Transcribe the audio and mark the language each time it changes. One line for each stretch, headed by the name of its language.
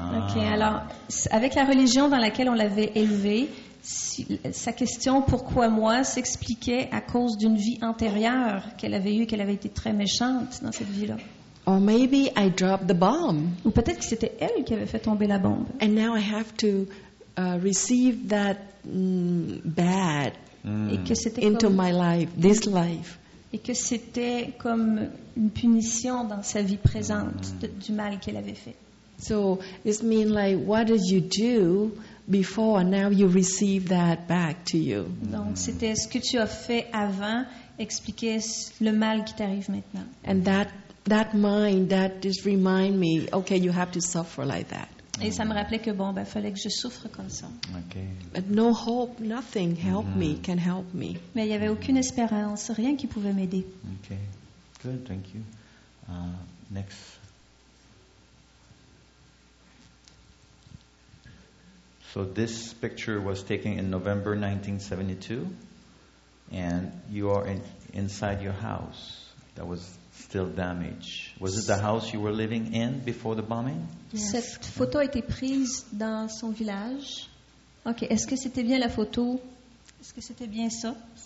French: Okay, alors, avec la religion dans laquelle on l'avait élevé, sa question « Pourquoi moi ?» s'expliquait à cause d'une vie antérieure qu'elle avait eue, qu'elle avait été très méchante dans cette vie-là.
English: Or maybe I dropped the bomb.
French: Ou peut-être que c'était elle qui avait fait tomber la bombe.
English: And now I have to receive that bad into my life, this life.
French: Et que c'était comme une punition dans sa vie présente du mal qu'elle avait fait.
English: So it means like, what did you do before, and now you receive that back to you.
French: Donc c'était ce que tu as fait avant, expliquer le mal qui t'arrive maintenant.
English: And that mind that just remind me, okay, you have to suffer like that.
French: Et ça me rappelait que bon, ben fallait que je souffre comme ça.
English: Okay. But no hope, nothing help me can help me.
French: Mais il y avait aucune espérance, rien qui pouvait m'aider.
English: Okay, good, thank you. Next. So this picture was taken in November 1972, and you are inside your house that was still damaged. Was it the house you were living in before the bombing? Yes.
French: Cette photo a été prise dans son village. Ok, est-ce que c'était bien la photo? Est-ce que c'était bien ça?